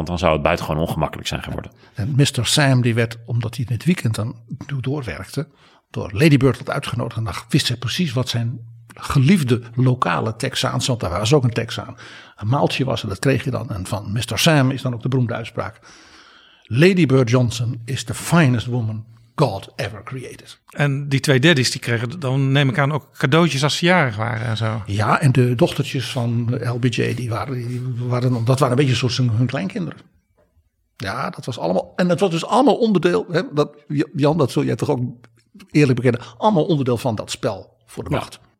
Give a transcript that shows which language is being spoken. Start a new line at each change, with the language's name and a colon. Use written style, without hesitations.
Dutch: Want dan zou het buitengewoon ongemakkelijk zijn geworden. En Mr. Sam die werd, omdat hij in het weekend dan doorwerkte, door Lady Bird had uitgenodigd. En dan wist hij precies wat zijn geliefde lokale Texaan, want daar was ook een Texaan. Een maaltje was en dat kreeg je dan. En van Mr. Sam is dan ook de beroemde uitspraak.
English: Lady Bird Johnson is the finest woman God ever created.
Dutch: En die twee daddies die kregen dan, neem ik aan, ook cadeautjes als ze jarig waren en zo. Ja, en de dochtertjes van LBJ, dat waren een beetje zoals hun kleinkinderen. Ja, dat was allemaal. En het was dus allemaal onderdeel, hè, dat, Jan, dat zul jij toch ook eerlijk bekennen, allemaal onderdeel van dat spel voor de macht.